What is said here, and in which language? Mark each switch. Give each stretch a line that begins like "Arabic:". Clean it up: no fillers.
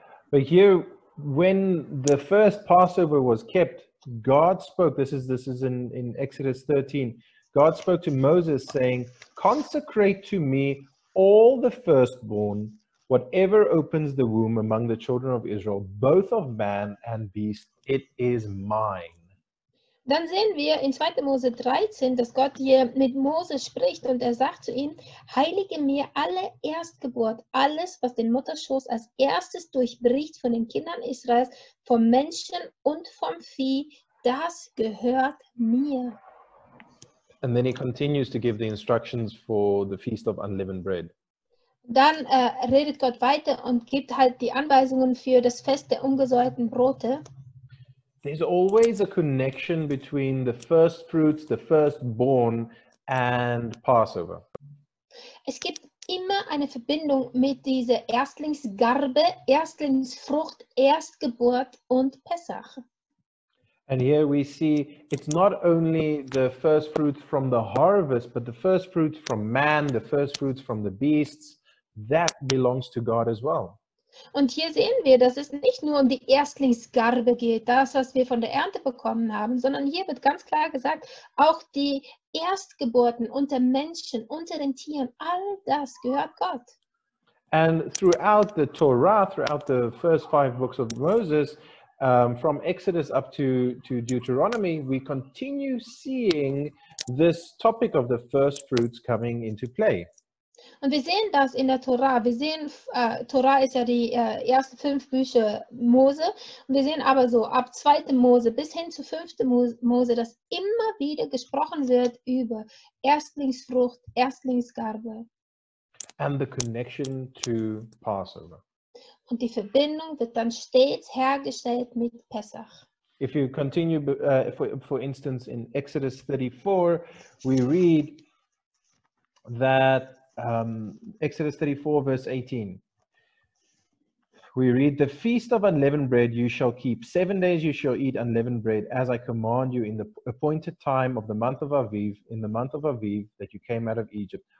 English: But here, when the first Passover was kept, God spoke, this is in Exodus 13, God spoke to Moses saying, consecrate to me all the firstborn, whatever opens the womb among the children of Israel, both of man and beast, it is mine.
German: Dann sehen wir in 2. Mose 13, dass Gott hier mit Mose spricht und er sagt zu ihm, heilige mir alle Erstgeburt, alles, was den Mutterschoß als erstes durchbricht von den Kindern Israels, vom Menschen und vom Vieh, das gehört mir.
English: And then he continues to give the instructions for the Feast of Unleavened Bread.
German: Dann redet Gott weiter und gibt halt die Anweisungen für das Fest der ungesäuerten Brote.
English: There's always a connection between the first fruits, the firstborn and Passover.
German: Es gibt immer eine Verbindung mit dieser Erstlingsgarbe, Erstlingsfrucht, Erstgeburt und Pessach.
English: And here we see it's not only the first fruits from the harvest, but the first fruits from man, the first fruits from the beasts, that belongs to God as well.
German: Und hier sehen wir, dass es nicht nur um die Erstlingsgarbe geht, das, was wir von der Ernte bekommen haben, sondern hier wird ganz klar gesagt, auch die Erstgeburten unter Menschen, unter den Tieren, all das gehört Gott.
English: And throughout the Torah, throughout the first five books of Moses, From Exodus up to Deuteronomy, we continue seeing this topic of the first fruits coming into play.
German: Und wir sehen das in der Tora. Wir sehen, Tora ist ja die ersten fünf Bücher Mose. Und wir sehen aber so, ab 2. Mose bis hin zu 5. Mose, dass immer wieder gesprochen wird über Erstlingsfrucht, Erstlingsgarbe.
English: And the connection to Passover.
German: Und die Verbindung wird dann stets hergestellt mit Pessach.
English: If you continue, for instance, in Exodus 34, we read that Exodus 34, verse 18. We read, the feast of unleavened bread you shall keep. 7 days you shall eat unleavened bread, as I command you in the appointed time of the month of Aviv, in the month of Aviv that you came out of Egypt.